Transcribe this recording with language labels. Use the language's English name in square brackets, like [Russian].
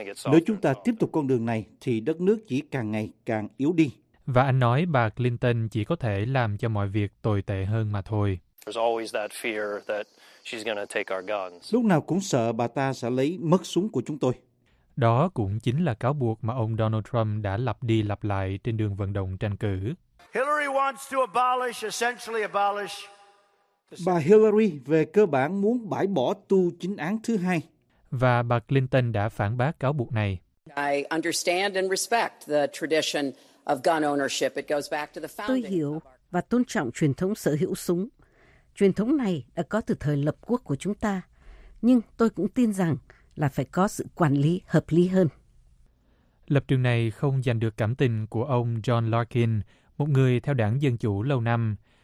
[Vietnamese] Nếu chúng ta tiếp tục con đường này, thì đất nước chỉ càng ngày càng yếu đi. Và anh nói bà Clinton chỉ có thể làm cho mọi việc tồi tệ hơn mà thôi. [English] There's always that fear that she's going to take our guns. [Vietnamese] Lúc nào cũng sợ bà ta sẽ lấy mất súng của chúng tôi. Đó cũng chính là cáo buộc mà ông Donald Trump đã lặp đi lặp lại trên đường vận động tranh cử. [English] Hillary wants to abolish, essentially abolish [Vietnamese] Bà Hillary về cơ bản muốn bãi bỏ tu chính án thứ hai. Và bà Clinton đã phản bác cáo buộc này. [English] I understand and respect the tradition of gun ownership. It goes back to the founding. [Vietnamese] Tôi hiểu và tôn trọng truyền thống sở hữu súng. Truyền thống này đã có từ thời lập quốc của chúng ta, nhưng tôi cũng tin rằng là phải có sự quản lý hợp lý hơn. Lập trường này không giành được cảm tình của ông John Larkin, một người theo đảng Dân Chủ lâu năm.